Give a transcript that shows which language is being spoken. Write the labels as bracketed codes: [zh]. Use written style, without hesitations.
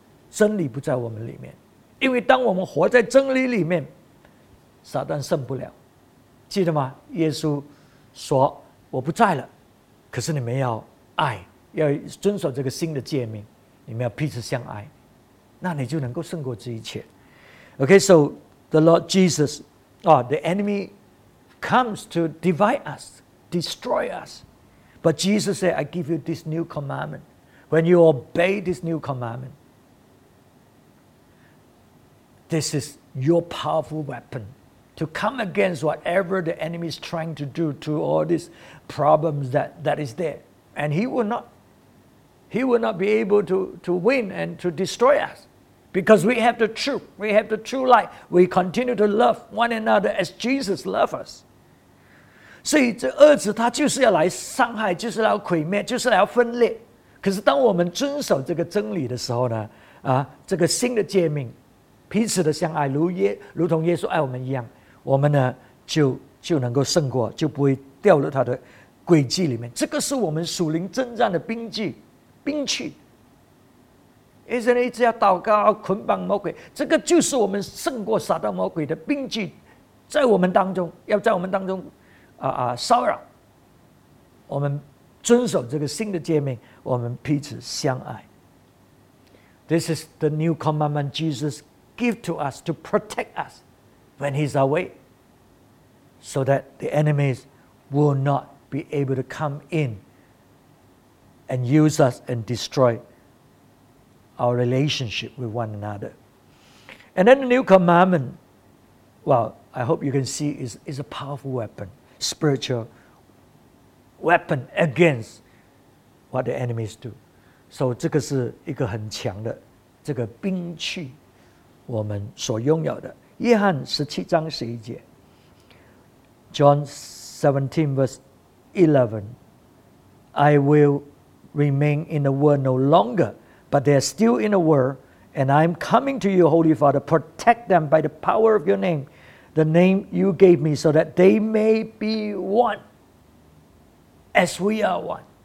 [zh] 真理不在我们里面，因为当我们活在真理里面，撒旦胜不了。记得吗？耶稣说我不在了，可是你们要爱，要遵守这个新的诫命，你们要彼此相爱，那你就能够胜过这一切。 [en] OK, so the Lord Jesus, the enemy comes to divide us, destroy us, but Jesus said, I give you this new commandment. When you obey this new commandment, this is your powerful weapon to come against whatever the enemy is trying to do to all this problems that is there. And he will not be able to win and to destroy us, because we have the truth, we have the true light, we continue to love one another as Jesus loved us. [zh] 所以这恶子他就是要来伤害，就是要毁灭，就是要分裂。可是当我们遵守这个真理的时候呢，这个新的诫命，彼此的相爱，如同耶稣爱我们一样，我们呢就能够胜过，就不会掉入他的诡计里面。这个是我们属灵征战的兵器。以色列一直要祷告捆绑魔鬼，这个就是我们胜过撒旦魔鬼的兵器，在我们当中，要在我们当中骚扰。我们遵守这个新的诫命，我们彼此相爱。 [en] This is the new commandment Jesus give to us to protect us when he's away, so that the enemies will notbe able to come in and use us and destroy our relationship with one another. And then the new commandment, well, I hope you can see, is a powerful weapon, spiritual weapon against what the enemies do. [zh] So 这个是一个很强的这个兵器我们所拥有的。约翰十七章十一节， [en] John 17 verse 11, I will remain in the world no longer, but they are still in the world, and I am coming to you, Holy Father, protect them by the power of your name, the name you gave me, so that they may be one as we are one.